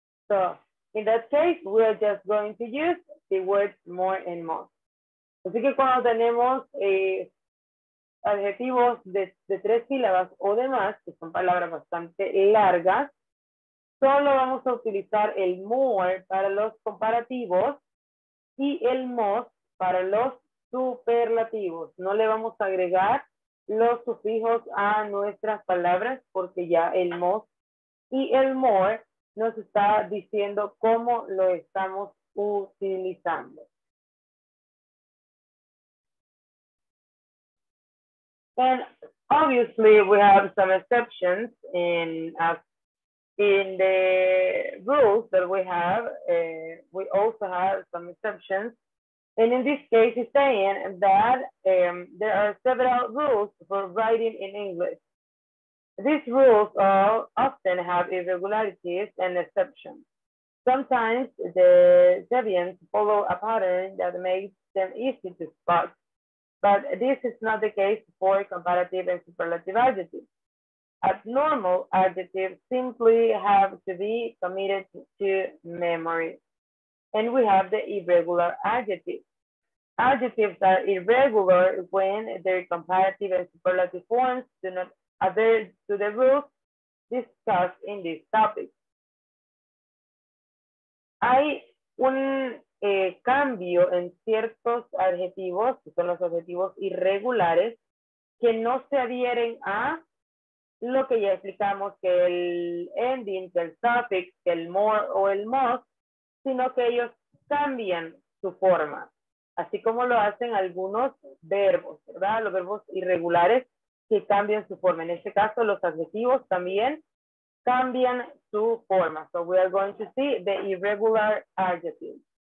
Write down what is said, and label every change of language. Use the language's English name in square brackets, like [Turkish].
[English] So in that case, we are just going to use the words more and more. [Spanish] Así que cuando tenemos adjetivos de tres sílabas o demás, que son palabras bastante largas, solo vamos a utilizar el more para los comparativos y el most para los superlativos. No le vamos a agregar los sufijos a nuestras palabras porque ya el most y el more nos está diciendo cómo lo estamos utilizando. [English] And obviously we have some exceptions, and as In the rules that we have, we also have some exceptions. And in this case, it's saying that there are several rules for writing in English. These rules often have irregularities and exceptions. Sometimes the deviants follow a pattern that makes them easy to spot, but this is not the case for comparative and superlative adjectives. Abnormal adjectives simply have to be committed to memory. And we have the irregular adjectives. Adjectives are irregular when their comparative and superlative forms do not adhere to the rules discussed in this topic. [Spanish] Hay un cambio en ciertos adjetivos, que son los adjetivos irregulares, que no se adhieren a lo que ya explicamos, que el ending, que el suffix, que el more o el must, sino que ellos cambian su forma, así como lo hacen algunos verbos, ¿verdad? Los verbos irregulares que cambian su forma. En este caso, los adjetivos también cambian su forma. [English] So we are going to see the irregular adjectives.